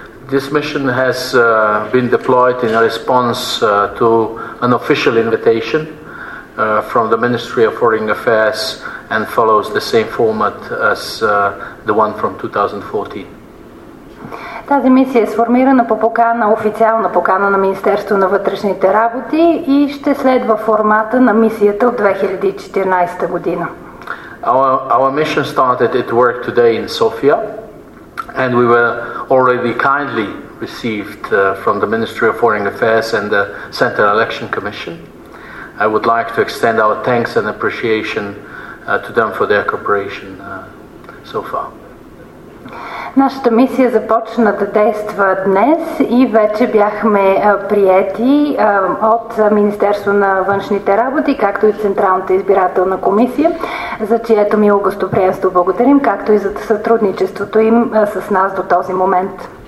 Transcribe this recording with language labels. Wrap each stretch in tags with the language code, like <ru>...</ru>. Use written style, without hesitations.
<en>This mission has been deployed in response to an official invitation from the Ministry of Foreign Affairs and follows the same format as the one from 2014.</en> <bg>Тази мисия е сформирана по покана, официална покана на Министерството на вътрешните работи и ще следва формата на мисията от 2014 година.</bg> <en>Our mission started its work today in Sofia and we were already kindly received from the Ministry of Foreign Affairs and the Central Election Commission. I would like to extend our thanks and appreciation to them for their cooperation so far.</en> <bg>Нашата мисия започна да действа днес и вече бяхме приети от Министерство на външните работи, както и Централната избирателна комисия, за чието мило гостоприемство благодарим, както и за сътрудничеството им с нас до този момент.</bg>